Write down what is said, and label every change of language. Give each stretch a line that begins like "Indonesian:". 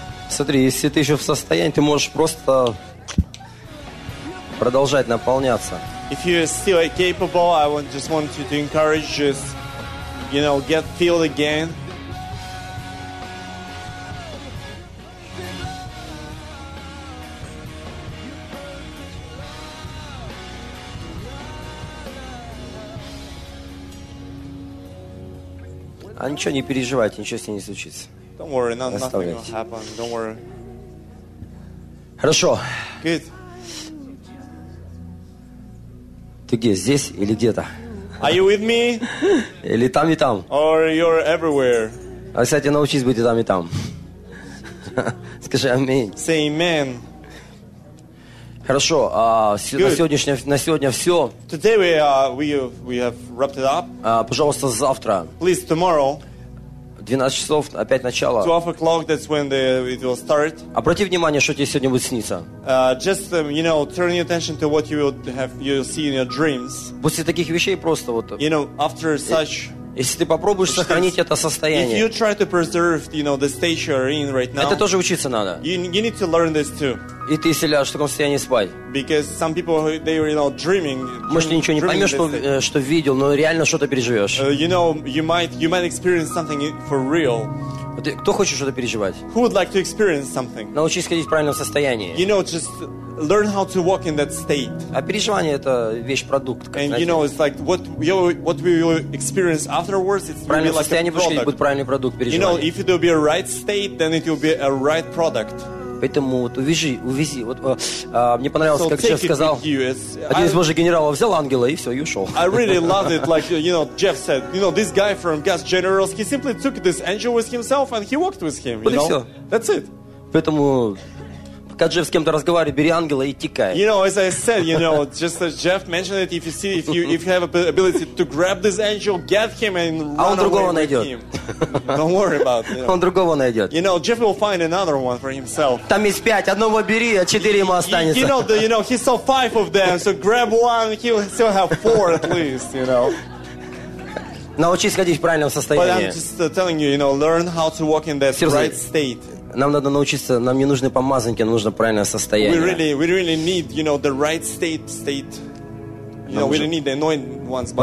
Russian: Смотри, если ты еще в состоянии, ты можешь просто продолжать наполняться.
English: If you're still capable, I just want you to encourage, just, you know, get filled again.
Russian: А ничего не переживайте, ничего с ней не случится.
English: Don't worry, nothing will happen. Don't worry.
Russian: Хорошо.
English: Good.
Russian: Ты где? Здесь или где-то?
English: Are you with me?
Russian: Или там и там?
English: Or you're everywhere.
Russian: А кстати, научись быть и там и там. Скажи аминь.
English: Say amen.
Russian: Хорошо, на сегодня все.
English: Today we have wrapped it up.
Russian: Пожалуйста, завтра.
English: Please tomorrow.
Russian: 12 часов опять начало.
English: 12 o'clock, that's when it will start.
Russian: Обрати внимание, что тебе сегодня будет сниться.
English: Just you know, turn your attention to what you'll see in your dreams.
Russian: После таких вещей просто вот.
English: You know, after such.
Russian: Если ты попробуешь сохранить это состояние.
English: If you try to preserve, you know, the state you're in right now.
Russian: Это тоже учиться надо.
English: You need to learn this too.
Russian: И ты если ляжешь в таком состоянии спать.
English: Because some people they were, you know, dreaming.
Russian: Может, ты ничего не поймешь, что видел, но реально что-то переживешь.
English: You know, you might experience something for real.
Russian: Кто хочет что-то переживать?
English: Who would like to experience something?
Russian: Научись ходить в правильном состоянии.
English: You know, just learn how to walk in that state.
Russian: А переживание это вещь продукт.
English: And you know, it's like what we will experience afterwards. It's really like a product.
Russian: Правильное состояние будет правильный продукт переживать.
English: You know, if it will be a right state, then it will be a right product.
Russian: Поэтому вот увези. Вот, мне понравилось, so как сейчас сказал. Один из божьих генералов взял ангела и все, и ушел.
English: I really loved it, like, you know, Jeff said. You know, this guy from Gas Generals, he simply took this angel with himself and he walked with him. You know?
Russian: Все.
English: That's it.
Russian: Поэтому, пока Джефф с кем-то разговаривает, бери ангела и тикай.
English: You know, as I said, you know, just as Jeff mentioned it, if you have an ability to grab this angel, get him and run away.
Russian: А он другого
English: away
Russian: найдет.
English: With him. Don't worry about it. You know.
Russian: Он другого найдет.
English: You know, Jeff will find another one for himself.
Russian: Там есть пять, одного бери, а четыре ему останется.
English: You know, he saw five of them, so grab one, he'll still have four at least, you know.
Russian: Научись ходить в правильном состоянии.
English: But I'm just telling you, you know, learn how to walk in that right state.
Russian: Нам надо научиться, нам не нужны помазанки, нам нужно правильное состояние.
English: We really need, you know, the right state. You know, we don't need the annoying ones, but